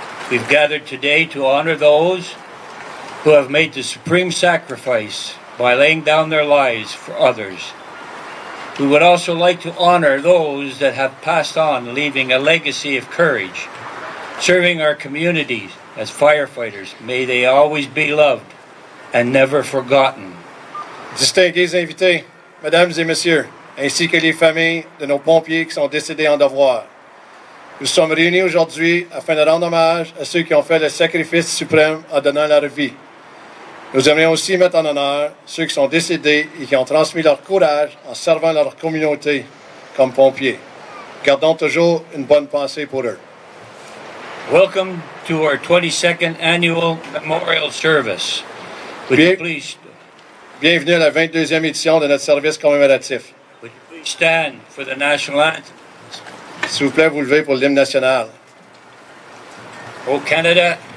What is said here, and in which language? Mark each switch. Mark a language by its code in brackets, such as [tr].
[en] We've gathered today to honor those who have made the supreme sacrifice by laying down their lives for others. We would also like to honor those that have passed on, leaving a legacy of courage, serving our communities as firefighters. May they always be loved and never forgotten. [fr] Distingués invités, mesdames et messieurs, ainsi que les familles de nos pompiers qui sont décédés en devoir. Nous sommes réunis aujourd'hui afin de rendre hommage à ceux qui ont fait le sacrifice suprême en donnant leur vie. Nous aimerions aussi mettre en honneur ceux qui sont décédés et qui ont transmis leur courage en servant leur communauté comme pompiers. Gardons toujours une bonne pensée pour eux. [en] Welcome to our 22nd annual memorial service. Would you please... [fr] Bienvenue à la 22e édition de notre service commémoratif. [en] Would you please stand for the national anthem? [fr] S'il vous plaît, vous levez pour l'hymne national. Au Canada.